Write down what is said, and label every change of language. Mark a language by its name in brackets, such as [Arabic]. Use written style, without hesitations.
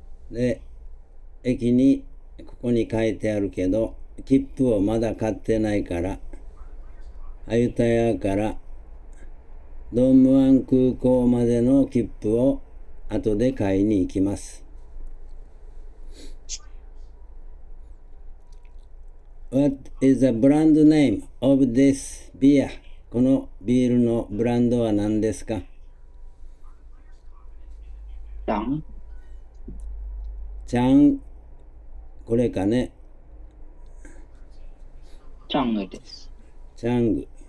[Japanese] で、駅にここに書いてあるけど切符をまだ買ってないから、アユタヤからドンムアン空港までの切符を後で買いに行きます。 [English] What is the brand name of this beer? [Japanese] このビールのブランドは何ですか？ダン？ちゃん？これかね？チャングです。チャング。